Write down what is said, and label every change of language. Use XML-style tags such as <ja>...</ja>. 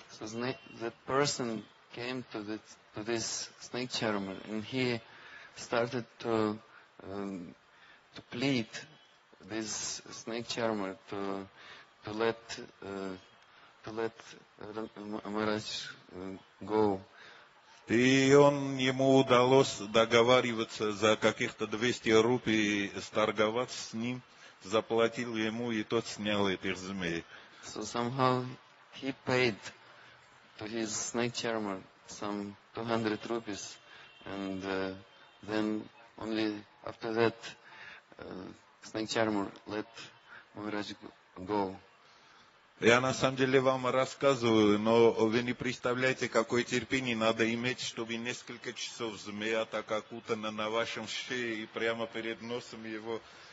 <en>So that person came to this snake charmer, and he started to plead this snake charmer to let Maharaj go.</en> <ru>И он ему удалось договариваться за каких-то 200 рупий, сторговаться с ним, заплатил ему, и тот снял этих змей.</ru> <en>So somehow he paid to his snake charmer some 200 rupees, and then only after that snake charmer let Maharaj go.</en> <ru>Я на самом деле вам рассказываю, но вы не представляете, какое терпение надо иметь, чтобы несколько часов змея так окутана на вашем шее и прямо перед носом его.</ru>